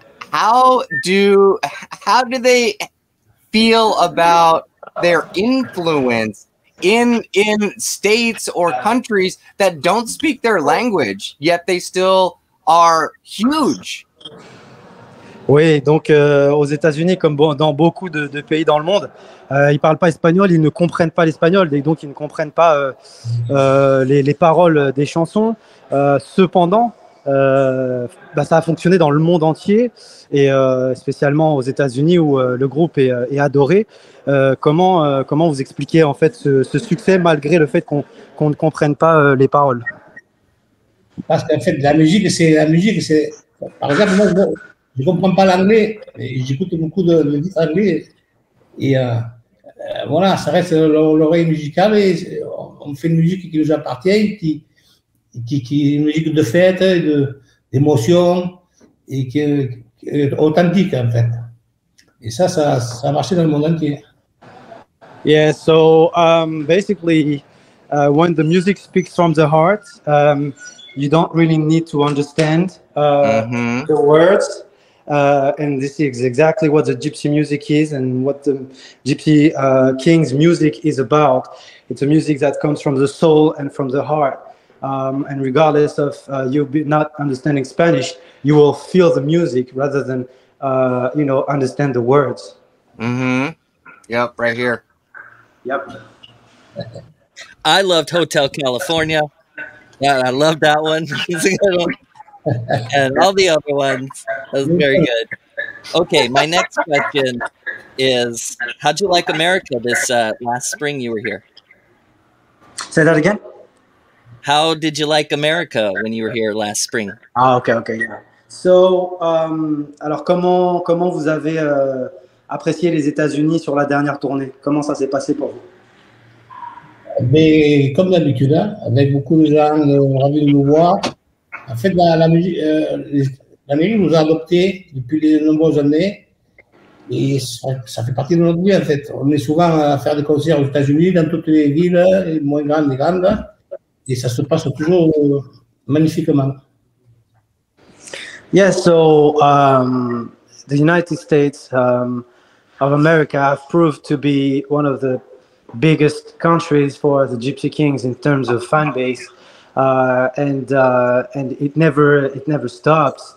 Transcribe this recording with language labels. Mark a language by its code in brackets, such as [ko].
[en] How do they feel about their influence in states or countries that don't speak their language, yet they still are huge? [fr] Oui, donc aux États-Unis, comme dans beaucoup de pays dans le monde, ils parlent pas espagnol, ils ne comprennent pas l'espagnol, donc ils ne comprennent pas les paroles des chansons. Cependant, ça a fonctionné dans le monde entier et spécialement aux États-Unis où le groupe est adoré. Comment vous expliquez en fait ce succès malgré le fait qu'on ne comprenne pas les paroles? Parce qu'en fait, la musique, c'est... Par exemple, moi, je ne comprends pas l'anglais, mais j'écoute beaucoup de l'anglais. Et ça reste l'oreille musicale et on fait une musique qui nous appartient, qui est une musique de fête, d'émotion, et qui est authentique, en fait. Et ça a marché dans le monde entier. [en] Yeah, so basically, when the music speaks from the heart, you don't really need to understand the words. And this is exactly what the Gipsy music is and what the Gipsy King's music is about. It's a music that comes from the soul and from the heart. And regardless of you not understanding Spanish, you will feel the music rather than you know, understand the words. Mm-hmm. Yep, right here. Yep. I loved Hotel California. Yeah, I loved that one. It's a good one. And all the other ones. That was very good. Okay, my next question is, how'd you like America this last spring you were here? Say that again? How did you like America when you were here last spring? Ah, okay, okay, yeah. [fr] So, alors comment vous avez apprécié les États-Unis sur la dernière tournée? Comment ça s'est passé pour vous? Mais comme d'habitude, hein, avec beaucoup de gens ravis de nous voir. En fait, la musique, l'Amérique nous a adoptés depuis de nombreuses années. Et ça fait partie de notre vie, en fait. On est souvent à faire des concerts aux États-Unis, dans toutes les villes, les moins grandes et grandes. Et ça se passe toujours magnifiquement. [en] Yes, yeah, so the United States of America have proved to be one of the biggest countries for the Gipsy Kings in terms of fan base, and it never stops.